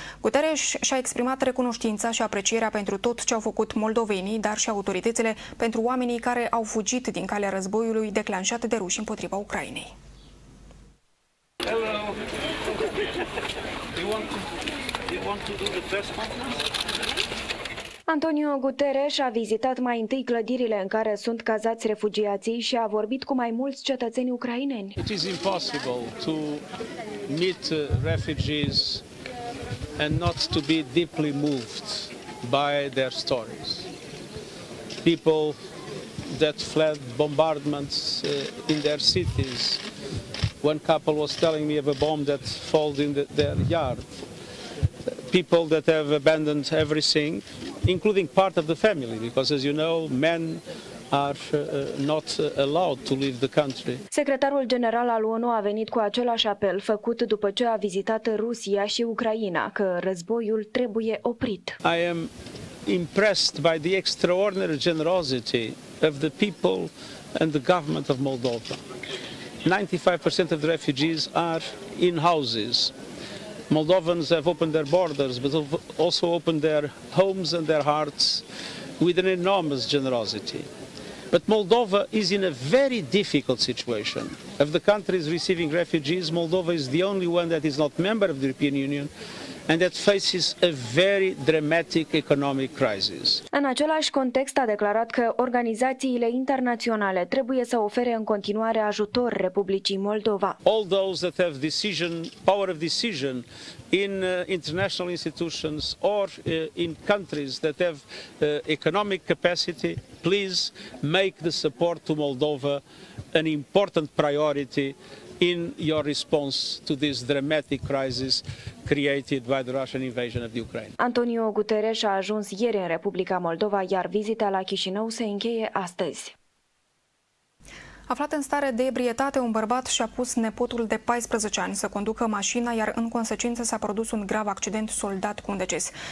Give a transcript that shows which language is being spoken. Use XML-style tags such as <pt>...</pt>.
<ro>Guterres și-a exprimat recunoștința și aprecierea pentru tot ce au făcut moldovenii, dar și autoritățile pentru oamenii care au fugit din calea războiului declanșat de ruși împotriva Ucrainei. Antonio Guterres a vizitat mai întâi clădirile în care sunt cazați refugiații și a vorbit cu mai mulți cetățeni ucraineni.</ro> <en>It is impossible to meet refugees and not to be deeply moved by their stories. People that fled bombardments in their cities. One couple was telling me of a bomb that fell in their yard. People that have abandoned everything, including part of the family, because as you know, men are not allowed to leave the country.</en> <ro>Secretarul general al ONU a venit cu același apel făcut după ce a vizitat Rusia și Ucraina, că războiul trebuie oprit.</ro> <en>I am impressed by the extraordinary generosity of the people and the government of Moldova. 95% of the refugees are in houses. Moldovans have opened their borders, but have also opened their homes and their hearts with an enormous generosity. But Moldova is in a very difficult situation. Of the countries receiving refugees, Moldova is the only one that is not member of the European Union and that faces a very dramatic economic crisis.</en> <ro>În același context, a declarat că organizațiile internaționale trebuie să ofere în continuare ajutor Republicii Moldova.</ro> <en>All those that have decision, power of decision in international institutions or in countries that have economic capacity, please make the support to Moldova an important priority in your response to this dramatic crisis created by the Russian invasion of the Ukraine.</en> <ro>Antonio Guterres a ajuns ieri în Republica Moldova, iar vizita la Chișinău se încheie astăzi. Aflat în stare de ebrietate, un bărbat și-a pus nepotul de 14 ani să conducă mașina, iar în consecință s-a produs un grav accident soldat cu un deces.</ro>